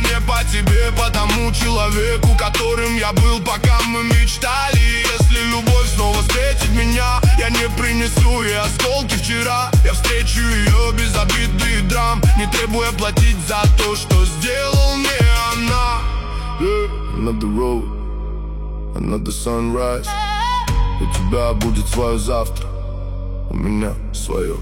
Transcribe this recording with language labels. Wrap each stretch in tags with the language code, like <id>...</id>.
<ru>Не по тебе, по тому человеку, которым я был, пока мы мечтали. Если любовь снова встретит меня, я не принесу ей осколки вчера. Я встречу ее без обиды и драм, не требуя платить за то, что сделал мне она.</ru> <en>Another road, another sunrise.</en> <ru>У тебя будет свое завтра, у меня свое.</ru>